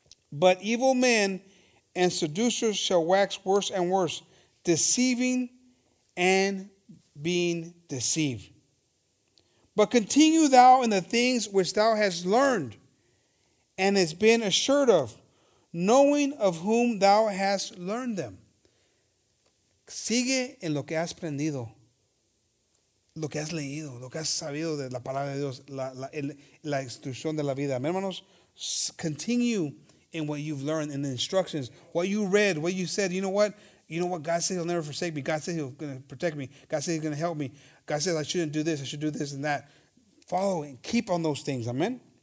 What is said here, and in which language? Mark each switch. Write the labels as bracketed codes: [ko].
[en] But evil men and seducers shall wax worse and worse, deceiving and being deceived. But continue thou in the things which thou hast learned and hast been assured of, knowing of whom thou hast learned them. [es] Sigue en lo que has aprendido, lo que has leído, lo que has sabido de la palabra de Dios, la instrucción de la vida. Amén, hermanos. [en] Continue in what you've learned, in the instructions, what you read, what you said. You know what? God said he'll never forsake me. God said he's going to protect me. God said he's going to help me. God said I shouldn't do this. I should do this and that. Follow and keep on those things. Amen.